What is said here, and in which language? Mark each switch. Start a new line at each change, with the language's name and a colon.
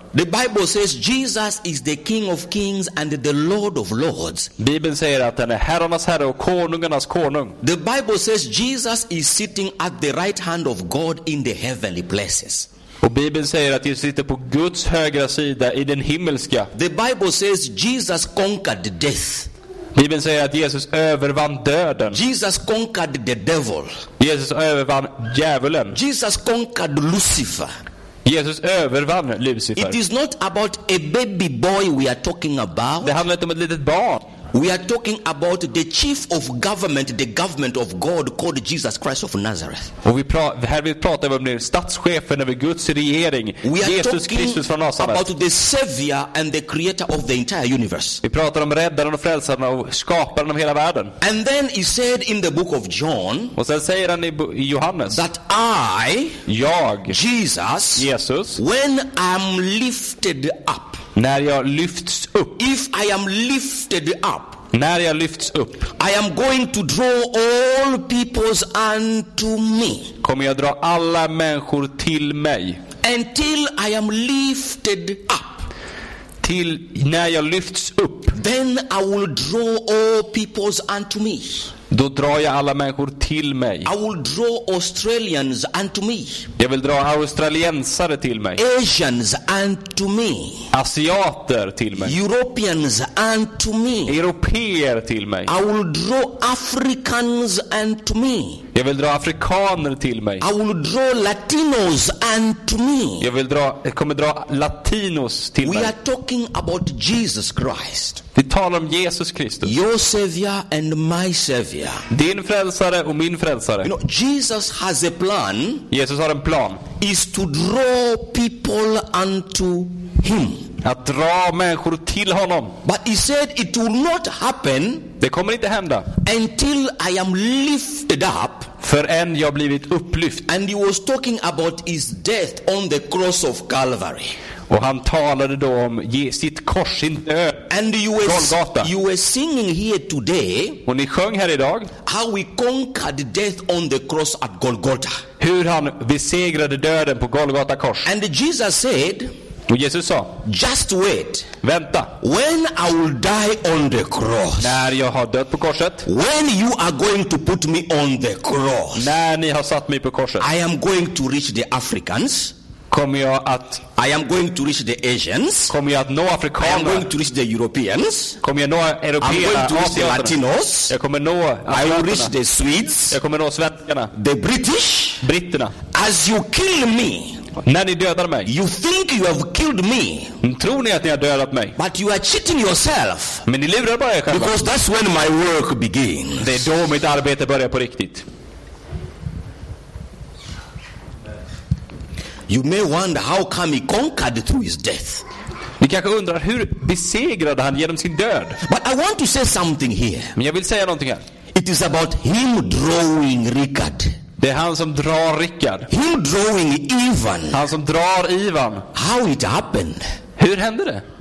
English: The Bible says Jesus is the King of Kings and the Lord of Lords.
Swedish: Bibeln säger att han är herrarnas herre och konungarnas konung.
English: The Bible says Jesus is sitting at the right hand of God in the heavenly places.
Swedish: Och Bibeln säger att Jesus sitter på Guds högra sida i den himmelska.
English: The Bible says Jesus conquered death.
Swedish: Bibeln säger att Jesus övervann döden.
English: Jesus conquered the devil.
Swedish: Jesus övervann djävulen.
English: Jesus conquered Lucifer.
Swedish: Jesus övervann Lucifer.
English: It is not about a baby boy we are talking about.
Swedish: Det handlar inte om ett litet barn.
English: We are talking about the chief of government, the government of God called Jesus Christ of Nazareth.
Swedish: Och vi pratar om den statschefen över Guds regering, Jesus Kristus från Nazaret.
English: We are talking about the savior and the creator of the entire universe.
Swedish: Vi pratar om räddaren och frälsaren och skaparen av hela världen.
English: And then he said in the book of John,
Swedish: och sen säger han i Johannes,
English: that I,
Swedish: jag,
English: Jesus, when I'm lifted up.
Swedish: När jag lyfts upp.
English: If I am lifted up.
Swedish: När jag lyfts upp.
English: I am going to draw all peoples unto me.
Swedish: Kommer jag dra alla människor till mig.
English: Until I am lifted up.
Swedish: Till när jag lyfts upp.
English: Then I will draw all peoples unto me.
Swedish: Då drar jag alla människor till mig.
English: I will draw Australians unto me.
Swedish: Jag vill dra australiensare till mig.
English: Asians unto me.
Swedish: Asiater till mig.
English: Europeans unto me.
Swedish: Europeer till mig.
English: I will draw Africans unto me.
Swedish: Jag vill dra afrikaner till mig.
English: I will draw Latinos unto me.
Swedish: Jag kommer dra latinos till
English: We
Swedish: mig.
English: We are talking about Jesus Christ.
Swedish: Vi talar om Jesus Kristus.
English: Your savior and my savior.
Swedish: Din frälsare och min frälsare.
English: You know, Jesus has a plan.
Swedish: Jesus har en plan.
English: Is to draw people unto him.
Swedish: Att dra människor till honom.
English: But he said it will not happen.
Swedish: Det kommer inte hända.
English: Until I am lifted up.
Swedish: Förrän jag blivit upplyft.
English: And he was talking about his death on the cross of Calvary.
Swedish: Och han talade då om sitt kors, sin död.
English: And you were singing here today.
Swedish: Och ni sjöng här idag.
English: How we conquered death on the cross at Golgotha.
Swedish: Hur han besegrade döden på Golgata kors.
English: And Jesus said.
Swedish: Och Jesus sa,
English: just wait.
Swedish: Vänta.
English: When I will die on the cross.
Swedish: När jag har dött på korset.
English: When you are going to put me on the cross.
Swedish: När ni har satt mig på korset.
English: I am going to reach the Africans.
Swedish: Kommer jag att
English: I am going to reach the Asians.
Swedish: Kommer jag att nå afrikaner.
English: I am going to reach the Europeans.
Swedish: Kommer jag nå europeer.
English: I am going to reach the Latinos.
Swedish: Jag kommer nå afrikaner.
English: I will reach the Swedes.
Swedish: Jag kommer nå svenskarna.
English: The British.
Swedish: Britterna.
English: As you kill me.
Swedish: När ni dödar mig.
English: You think you have killed me.
Swedish: Tror ni att ni har dödat mig?
English: But you are cheating yourself.
Swedish: Men ni lurar bara er själva.
English: Because that's when my work begins.
Swedish: Det är då mitt arbete börjar på riktigt.
English: You may wonder how come he conquered through his death.
Swedish: Ni kanske undrar hur besegrade han genom sin död.
English: But I want to say something here.
Swedish: Men jag vill säga någonting här.
English: It is about him drawing Richard.
Swedish: Det är han som drar Rickard.
English: Him drawing Ivan.
Swedish: Han som drar Ivan.
English: How it happened?
Swedish: Hur hände det?